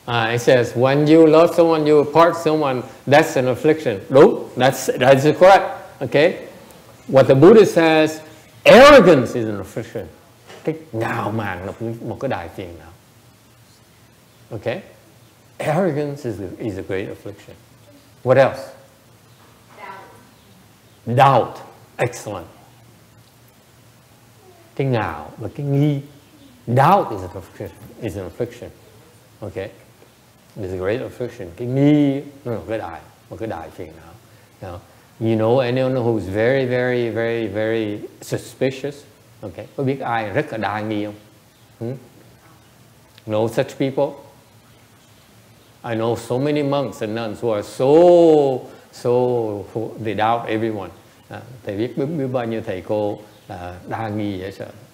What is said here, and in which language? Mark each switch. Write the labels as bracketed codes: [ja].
[en] It says, when you love someone, you part someone, that's an affliction. Đúng, that's correct. Okay? What the Buddha says, arrogance is an affliction. [vi] Cái ngạo mạn là một cái đại phiền não. [en] Okay? Arrogance is a great affliction. What else? Doubt. Doubt. Excellent. [vi] Cái ngạo và cái nghi. [en] Doubt is an affliction. Is an affliction. Okay? It's a great affliction. [vi] Cái nghi, một cái đại phiền não. [en] Now, you know anyone who's very, very, very, very suspicious? Okay. [vi] Có biết ai rất là đa nghi không? [en] Know such people? I know so many monks and nuns who are so, they doubt everyone. [vi] Thầy biết biết bao nhiêu thầy cô đa nghi vậy sợ.